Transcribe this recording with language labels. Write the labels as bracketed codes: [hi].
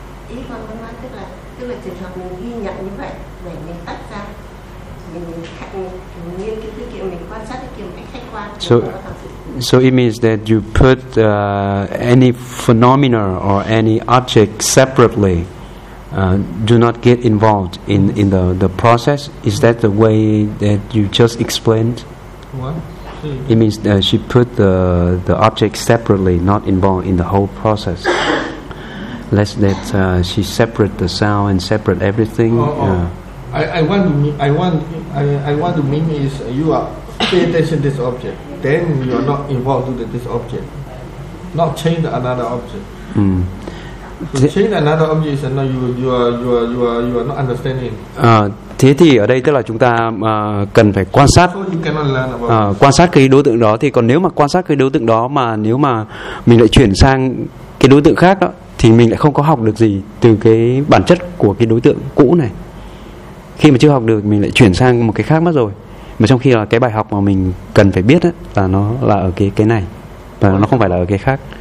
[vi] ý con nói tức là trường hợp mình ghi nhận như vậy để mình tách ra, mình nghiên cứu cái kiểu, mình quan sát cái kiểu cách khách quan. [en] So it means that you put any phenomena or any object separately, do not get involved in the process. Is that the way that you just explained? It means that she put the object separately, not involved in the whole process. Less that she separate the sound and separate everything. I want to mean is you are pay attention to this object, then you are not involved with this object, not change another object. So change another object is now you are not understanding. [vi] Thế thì ở đây tức là chúng ta cần phải quan sát, quan sát cái đối tượng đó. Thì còn nếu mà quan sát cái đối tượng đó mà nếu mà mình lại chuyển sang cái đối tượng khác đó, thì mình lại không có học được gì từ cái bản chất của cái đối tượng cũ này. Khi mà chưa học được mình lại chuyển sang một cái khác mất rồi. Mà trong khi là cái bài học mà mình cần phải biết ấy, là nó là ở cái này, và nó không phải là ở cái khác.